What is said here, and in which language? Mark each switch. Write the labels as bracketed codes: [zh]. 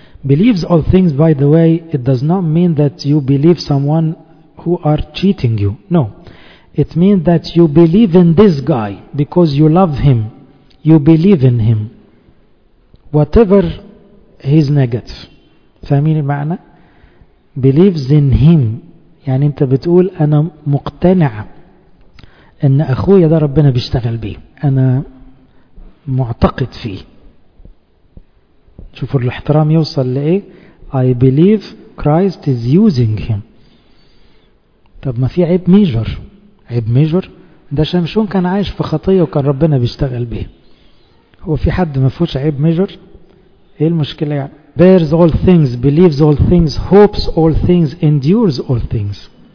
[en] Believes all things, by the way, it does not mean that you believe someone who are cheating you. No. It means that you believe in this guy because you love him. You believe in him. Whatever he's negative. [ar] فاهمين المعنى؟ [en] believes in him. [ar] يعني انت بتقول انا مقتنع ان اخويا ده ربنا بيشتغل بيه، انا معتقد فيه. شوفوا الاحترام يوصل لايه. [en] I believe Christ is using him. [ar] طب ما في عيب ميجر. عيب ميجر ده شمشون كان عايش في خطيه وكان ربنا بيشتغل بيه. هو في حد ما فيهوش عيب ميجر؟ ايه المشكله يعني؟ [en] Bears all things, believes all things, hopes all things, endures all things.